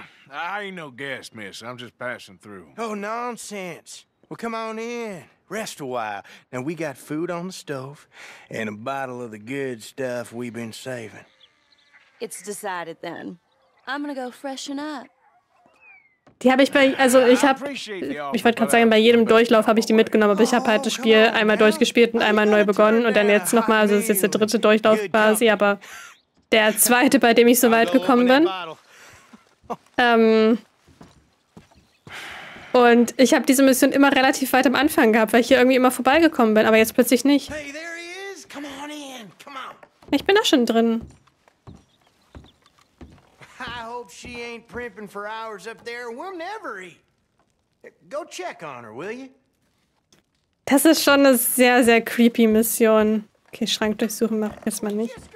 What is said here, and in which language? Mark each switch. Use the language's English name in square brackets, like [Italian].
[English] I ain't no guest, miss. I'm just passing through. Oh, nonsense. Well, come on in. Rest a while. Now, we got food on the stove and a bottle of the good stuff we've been saving. It's decided then. I'm gonna go freshen up. [German] Die habe ich bei, also ich habe, ich wollte gerade sagen, bei jedem Durchlauf habe ich die mitgenommen, aber ich habe halt das Spiel einmal durchgespielt und einmal neu begonnen und dann jetzt nochmal, also es ist jetzt der dritte Durchlauf quasi, aber der zweite, bei dem ich so weit gekommen bin. Und ich habe diese Mission immer relativ weit am Anfang gehabt, weil ich hier irgendwie immer vorbeigekommen bin, aber jetzt plötzlich nicht. [English] Hey, there he is. Come on in. Come on. [German] Ich bin da schon drin. [English] I hope she ain't primping for hours up there. We'll never eat. Go check on her, will you? [German] Das ist schon eine sehr, sehr creepy Mission. Okay, Schrank durchsuchen macht erstmal nicht.